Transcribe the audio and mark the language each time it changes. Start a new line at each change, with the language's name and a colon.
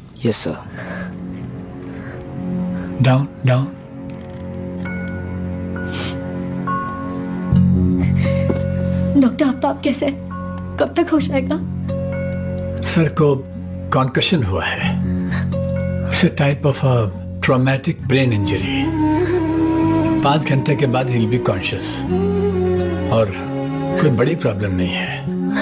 English: Yes, sir. Down, down. Doctor, how are you?
Hindi: कब तक होश आएगा? Sir, को concussion हुआ है.
English: It's a type of a traumatic brain injury.
Hindi: 5 घंटे के बाद
English: he'll be conscious.
Hindi: और कोई बड़ी problem नहीं है.